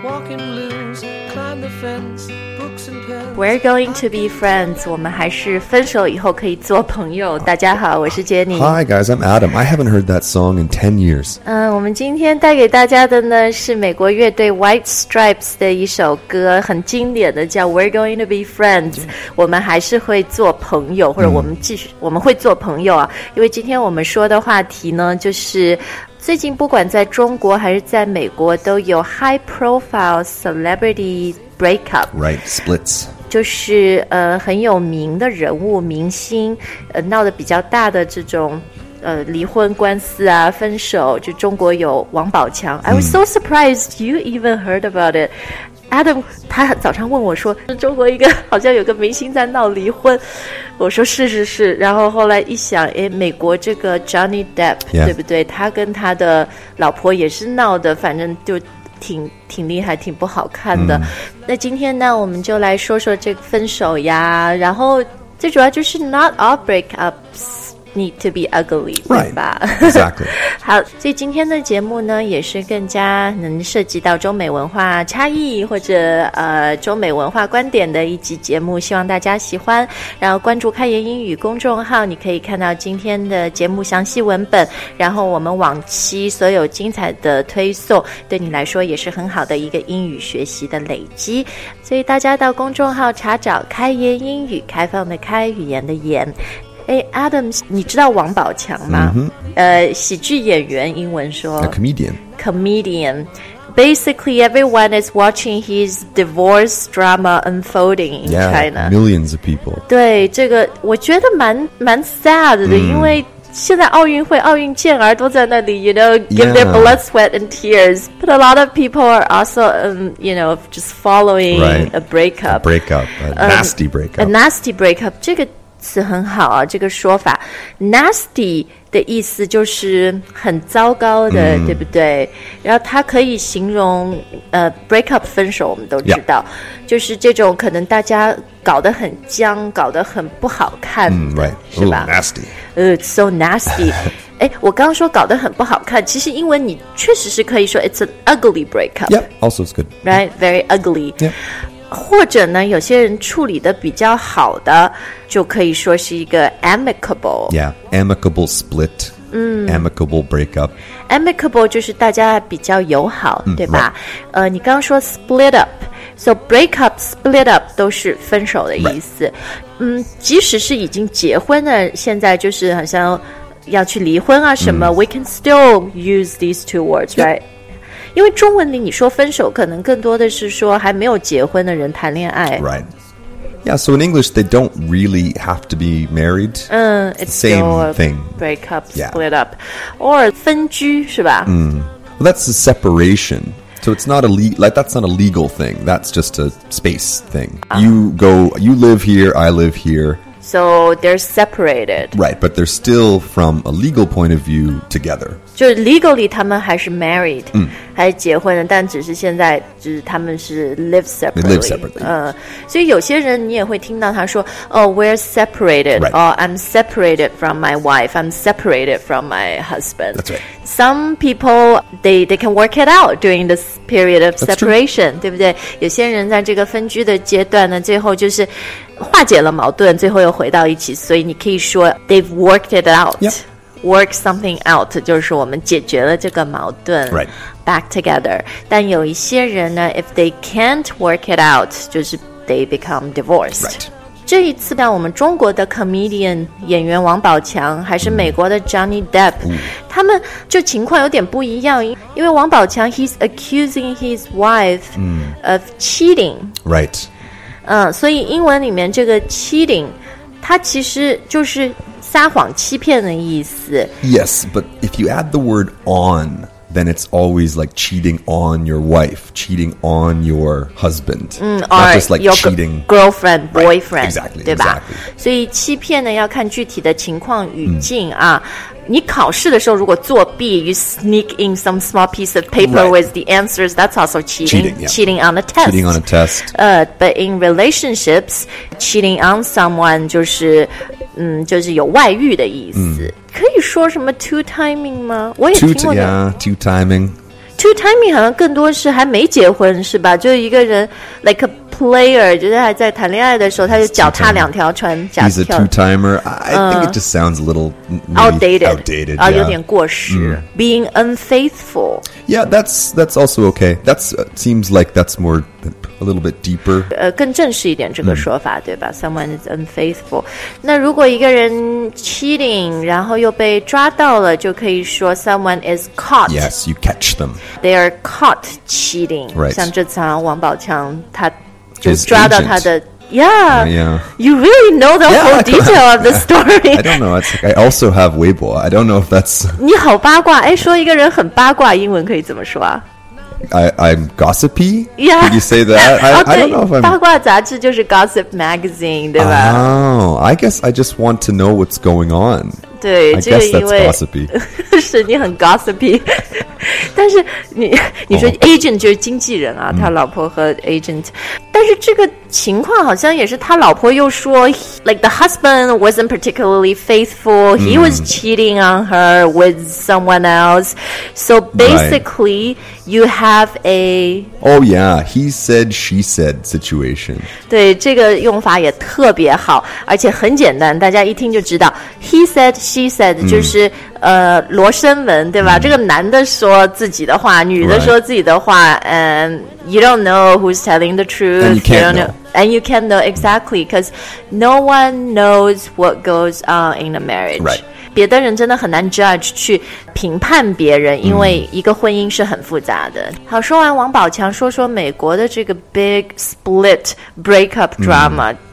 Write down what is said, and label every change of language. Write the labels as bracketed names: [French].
[English] and blues, climb the fence, books and pens. We're going to be friends. [Chinese] 我们还是分手以后可以做朋友。大家好，我是 Jenny. [English] Hi guys, I'm Adam. I haven't heard that song in 10 years. [Chinese] 我们今天带给大家的呢是美国乐队 White Stripes 的一首歌，很经典的，叫 [English] We're going to be friends.、 [Chinese] Yeah. 我们还是会做朋友，或者我们继续、mm. 我们会做朋友啊，因为今天我们说的话题呢就是最近不管在中国还是在美国都有 [English] high profile celebrity breakup. Right, splits. [Chinese] 就是很有名的人物明星闹得比较大的这种离婚官司啊分手，就中国有王宝强。 [English] Mm. I was so surprised you even heard about it. [Chinese] Adam 他早上问我说中国一个好像有个明星在闹离婚，我说是是是，然后后来一想美国这个 Johnny Depp、 [English] yeah. [Chinese] 对不对，他跟他的老婆也是闹的，反正就挺厉害挺不好看的、mm. 那今天呢我们就来说说这个分手呀，然后最主要就是 [English] not all breakupsneed to be ugly, right? Exactly. [Chinese] 好，所以今天的节目呢，也是更加能涉及到中美文化差异或者中美文化观点的一集节目，希望大家喜欢。然后关注开言英语公众号，你可以看到今天的节目详细文本，然后我们往期所有精彩的推送，对你来说也是很好的一个英语学习的累积。所以大家到公众号查找开言英语，开放的开，语言的言。哎 ，Adam， 你知道王宝强吗？ [English] Mm-hmm. [Chinese] 喜剧演员，英文说 [English] A comedian. Comedian. Basically, everyone is watching his divorce drama unfolding in yeah, China. Millions of people. [Chinese] 对这个，我觉得蛮 sad 的， mm. 因为现在奥运会，奥运健儿都在那里 ， [English] you know, give、 yeah. their blood, sweat, and tears. But a lot of people are also, you know, just following、 right. a breakup. A breakup, a nasty breakup. A nasty breakup. [Chinese] 这个。是很好啊，这个说法 nasty 的意思就是很糟糕的、mm. 对不对，然后它可以形容break up 分手，我们都知道、 [English] yeah. [Chinese] 就是这种可能大家搞得很僵，搞得很不好看、 [English] mm, right. [Chinese] 是吧 [English] Ooh, nasty it's so nasty [Chinese] 我刚刚说搞得很不好看，其实英文你确实是可以说 [English] it's an ugly breakup yeah also it's good right very ugly yeah [Chinese] 或者呢有些人处理的比较好的就可以说是一个 amicable [English] yeah amicable split、 [Chinese] 嗯、 [English] amicable breakup [Chinese] amicable 就是大家比较友好、嗯、对吧、 [English] right. [Chinese] 你刚刚说 [English] split up so breakup split up [Chinese] 都是分手的意思、 [English] right. [Chinese] 嗯，即使是已经结婚的现在就是好像要去离婚啊什么、嗯、 [English] we can still use these two words、 yeah. [Chinese] right因为中文里你说分手可能更多的是说还没有结婚的人谈恋爱 [English] Right Yeah, so in English they don't really have to be married It's the same thing Break up, split、 yeah. up Or [Chinese] 分居是吧、 [English] mm. well, That's a separation So it's not a like, that's not a legal thing That's just a space thing、You go, you live here, I live here So they're separated Right, but they're still from a legal point of view together [Chinese] 就 legally 他们还是 married、 [English] mm. [Chinese] 还是结婚的但只是现在就是他们是 [English] live separately, live separately.、 [Chinese] 所以有些人你也会听到他说 Oh, we're separated、 [English] right. Or I'm separated from my wife I'm separated from my husband That's right Some people, they can work it out during this period of separation [Chinese] 对不对有些人在这个分居的阶段呢最后就是化解了矛盾最后又回到一起所以你可以说 [English] They've worked it out、 yep. Work something out [Chinese] 就是我们解决了这个矛盾 [English] Right Back together [Chinese] 但有一些人呢 [English] If they can't work it out [Chinese] 就是 [English] they become divorced Right [Chinese] 这一次到我们中国的 comedian 演员王宝强还是美国的 Johnny Depp、 [English] mm. [Chinese] 他们就情况有点不一样因为王宝强 [English] He's accusing his wife、 mm. of cheating Right [Chinese] 所以英文里面这个 cheating 它其实就是撒谎欺骗的意思 [English] Yes, but if you add the word on Then it's always like cheating on your wife Cheating on your husband、 [Chinese] 嗯、 [English] Not just like cheating Girlfriend, boyfriend right, Exactly, [Chinese] 对吧 [English] exactly [Chinese] 所以欺骗呢要看具体的情况语境啊、嗯、你考试的时候如果作弊 [English] You sneak in some small piece of paper、 right. with the answers That's also cheating cheating,、yeah. cheating on a test Cheating on a test、 But in relationships Cheating on someone [Chinese] 就是嗯，就是有外遇的意思、嗯、可以说什么 two timing 吗我也听过的 [English] two timing [Chinese] two timing 好像更多是还没结婚是吧？就一个人 [English] like a player， [Chinese] 就是还在谈恋爱的时候，他就脚踏两条船。 [English] He's a two timer. I think it just sounds a little outdated. [Chinese] 啊，有点过时。 [English] Being unfaithful. Yeah, that's also okay. That's seems like that's more a little bit deeper. [Chinese] 更正式一点这个说法，对吧 ？ [English] Someone is unfaithful. [Chinese] 那如果一个人 cheating， 然后又被抓到了，就可以说 [English] someone is caught. Yes, you catch them. They are caught cheating. Right. 像这次王宝强他。Just draw out how the yeah. You really know the whole detail of the story. I don't know. It's like I also have Weibo. I don't know if that's. [Chinese] 你好八卦哎！说一个人很八卦，英文可以怎么说啊 [English] ？I'm gossipy. Yeah. Could you say that? I don't know if I'm. [Chinese] 八卦杂志就是 Gossip Magazine， 对吧 [English] ？Oh, I guess I just want to know what's going on. [Chinese] 对，这个因为 [English] gossipy [Chinese] 是你很 gossipy。但是你说 agent 就是经纪人啊、oh. 他老婆和 agent、mm. 但是这个情况好像也是他老婆又说 [English] like the husband wasn't particularly faithful、 [Chinese] mm. [English] he was cheating on her with someone else so basically、 right. you have a oh yeah he said she said situation [Chinese] 对这个用法也特别好而且很简单大家一听就知道 he said she said、mm. 就是罗生门对吧、mm. 这个男的说自己的话女的说自己的话、 [English] right. and you don't know who's telling the truth and you can't you know. Know. And you can't know exactly because no one knows what goes on in a marriage right [Chinese] 别的人真的很难 judge 去评判别人因为一个婚姻是很复杂的、mm. 好说完王宝强说说美国的这个 [English] big split breakup drama、 [Chinese] mm.